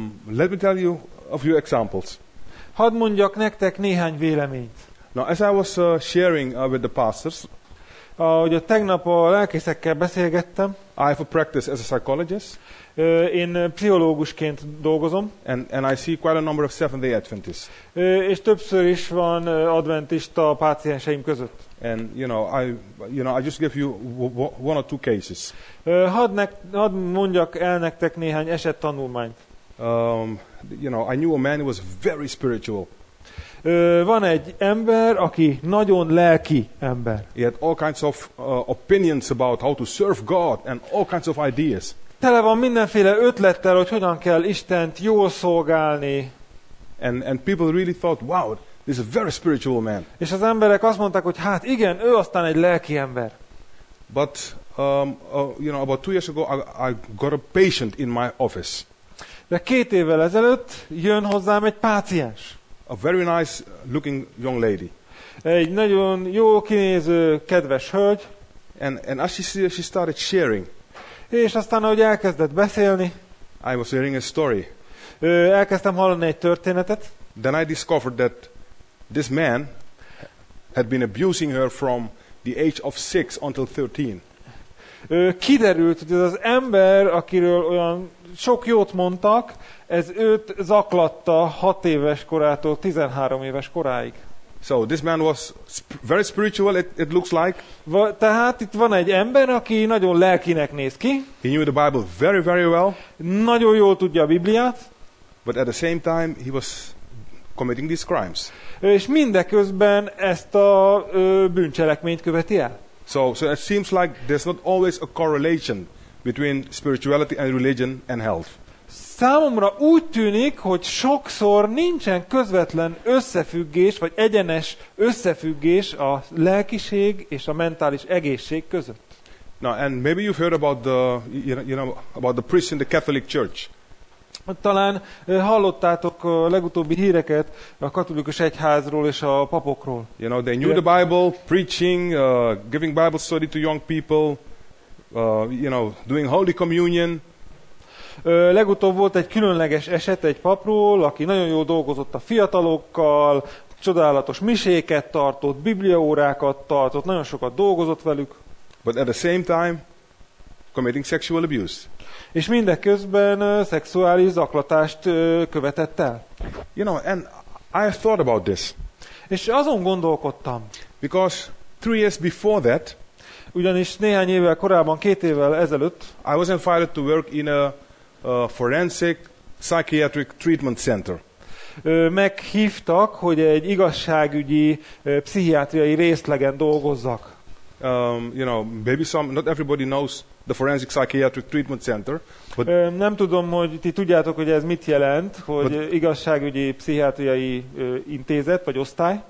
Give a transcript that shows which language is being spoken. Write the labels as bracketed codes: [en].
[en] Let me tell you a few examples. [hu] Hadd mondjak nektek néhány véleményt. [en] Now, as I was sharing with the pastors, [hu] ahogy a tegnap a lelkészekkel beszélgettem, [en] I have a practice as a psychologist. [hu] Én pszichológusként dolgozom. [en] And I see quite a number of Seventh-day Adventists. [hu] És többször is van adventista a pácienseim között. [en] And you know I just give you one or two cases. [hu] Hadd mondjak el nektek néhány eset tanulmányt. [en] You know, I knew a man who was very spiritual. [hu] Van egy ember, aki nagyon lelki ember. [en] He had all kinds of opinions about how to serve God and all kinds of ideas. [hu] Tele van mindenféle ötlettel, hogy hogyan kell Istent jól szolgálni. [en] And people really thought, wow, this is a very spiritual man. [hu] És az emberek azt mondták, hogy hát igen, ő aztán egy lelki ember. [en] But you know, about 2 years ago, I got a patient in my office. [hu] De 2 évvel ezelőtt jön hozzám egy páciens. [en] A very nice looking young lady. [hu] Egy nagyon jó kinéző, kedves hölgy. [en] And as she started sharing. [hu] És aztán, ahogy elkezdett beszélni, [en] I was hearing a story. [hu] Elkezdtem hallani egy történetet. [en] Then I discovered that this man had been abusing her from the age of 6 until 13. [hu] Kiderült, hogy ez az ember, akiről olyan sok jót mondtak, ez őt zaklatta 6 éves korától 13 éves koráig. [en] So this man was very spiritual, it looks like. [hu] Tehát itt van egy ember, aki nagyon lelkinek néz ki. [en] He knew the Bible very, very well. [hu] Nagyon jól tudja a Bibliát. [en] But at the same time, he was committing these crimes. [hu] És mindeközben ezt a bűncselekményt követi el. [en] So it seems like there's not always a correlation between spirituality and religion and health. [hu] Számomra úgy tűnik, hogy sokszor nincsen közvetlen összefüggés, vagy egyenes összefüggés a lelkiség és a mentális egészség között. [en] Now, and maybe you've heard about the, you know, about the priest in the Catholic Church. [hu] Talán hallottátok a legutóbbi híreket a katolikus egyházról és a papokról. [en] You know, they knew the Bible, preaching, giving Bible study to young people, you know, doing Holy Communion. [hu] Legutóbb volt egy különleges eset egy papról, aki nagyon jól dolgozott a fiatalokkal, csodálatos miséket tartott, bibliaórákat tartott, nagyon sokat dolgozott velük. [en] But at the same time, committing sexual abuse. [hu] És mindeközben szexuális zaklatást követett el. [en] You know, and I have thought about this. [hu] És azon gondolkodtam. [en] Because 3 years before that, [hu] ugyanis néhány évvel korábban, 2 évvel ezelőtt, [en] I was invited to work in a forensic psychiatric treatment center. [hu] Meghívtak, hogy egy igazságügyi pszichiátriai részlegen dolgozzak. [en] You know, maybe some, not everybody knows the forensic psychiatric treatment center. But [hu] nem tudom, hogy ti tudjátok, hogy ez mit jelent, hogy igazságügyi pszichiátriai intézet vagy osztály.